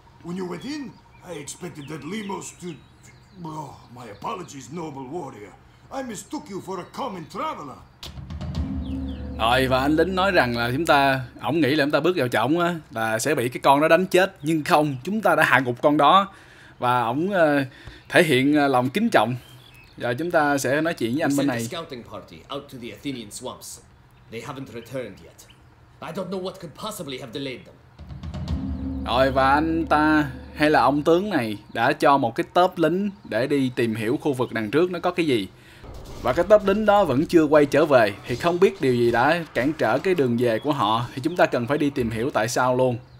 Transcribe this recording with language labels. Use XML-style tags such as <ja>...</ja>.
<en>When you went in, I expected that Lemos to... Oh, my apologies, noble warrior. I mistook you for a common traveler.</en> <vi>Rồi, và anh lính nói rằng là chúng ta... Ông nghĩ là chúng ta bước vào trọng á, là sẽ bị cái con đó đánh chết. Nhưng không, chúng ta đã hạ gục con đó. Và ông thể hiện lòng kính trọng. Giờ chúng ta sẽ nói chuyện với anh bên này.</vi> <en>Scouting party out to the Athenian swamps. They haven't returned yet. I don't know what could possibly have delayed them.</en> <vi>Rồi, và anh ta hay là ông tướng này đã cho một cái tớp lính để đi tìm hiểu khu vực đằng trước nó có cái gì. Và cái tớp lính đó vẫn chưa quay trở về, thì không biết điều gì đã cản trở cái đường về của họ, thì chúng ta cần phải đi tìm hiểu tại sao luôn.</vi>